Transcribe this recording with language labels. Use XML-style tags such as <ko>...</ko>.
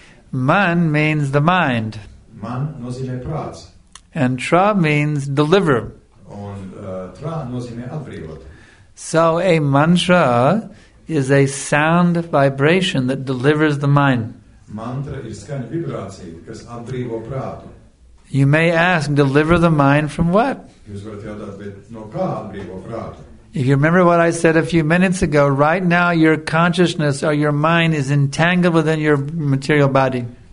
<en>Man means the mind.</en> <lv>Man nozīmē prāts.</lv> <en>And tra means deliver.</en> <lv>Un tra nozīmē atbrīvot.</lv> <en>So a mantra is a sound vibration that delivers the mind.</en> <lv>Mantra ir skaņa vibrācija, kas atbrīvo prātu.</lv> <en>You may ask, deliver the mind from what?</en> <lv>Jūs varat jautāt, bet no kā atbrīvo prātu?</lv> <en>If you remember what I said a few minutes ago, right now your consciousness or your mind is entangled within your material body.</en>